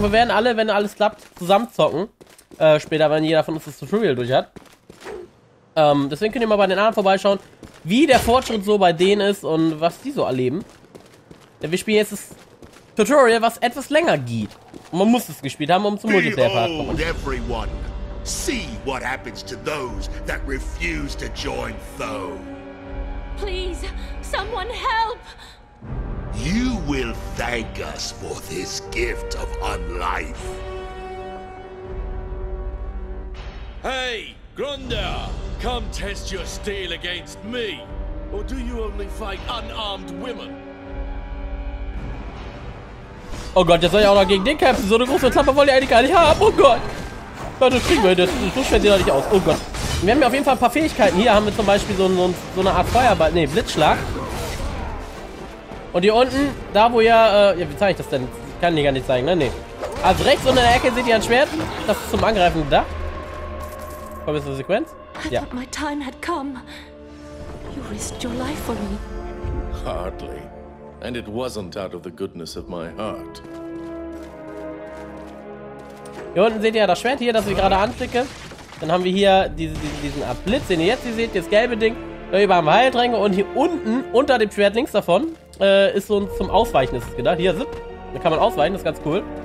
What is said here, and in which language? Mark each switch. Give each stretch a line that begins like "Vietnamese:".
German: Wir werden alle, wenn alles klappt, zusammen zocken. Später, wenn jeder von uns das Tutorial durch hat. Deswegen könnt ihr mal bei den anderen vorbeischauen, wie der Fortschritt so bei denen ist und was die so erleben. Denn wir spielen jetzt das Tutorial, was etwas länger geht. Und man muss es gespielt haben, um zum Multiplayer-Part zu kommen.
English: Everyone. See what happens to those that refuse to join foe. Please, someone help! You will thank us for this gift of unlife. Hey, Grunder, come test your steel against me. Or do you only fight unarmed women?
German: Oh Gott, jetzt soll ich auch noch gegen den kämpfen. So eine große Klappe wollte ich eigentlich gar nicht haben. Oh Gott. Leute, das kriegen wir hin. Das schwert sieht doch nicht aus. Oh Gott. Wir haben ja auf jeden Fall ein paar Fähigkeiten. Hier haben wir zum Beispiel so eine Art Feuerball. Ne, Blitzschlag. Und hier unten, da wo ihr... ja, wie zeige ich das denn? Kann ich gar nicht zeigen, ne? Ne. Also rechts unter der Ecke seht ihr ein Schwert. Das ist zum Angreifen da. Komm, ist eine Sequenz?
English: Ja. My time had come. You risked your life for me. Hardly. And it wasn't out of the goodness of my heart.
German: Hier unten seht ihr ja das Schwert hier, das ich gerade anklicke. Dann haben wir hier diesen Art Blitz, den ihr jetzt hier seht, das gelbe Ding. Da haben wir Heiltränke und hier unten, unter dem Schwert links davon, ist so ein zum Ausweichen ist es gedacht. Hier, zip. Da kann man ausweichen, das ist ganz cool.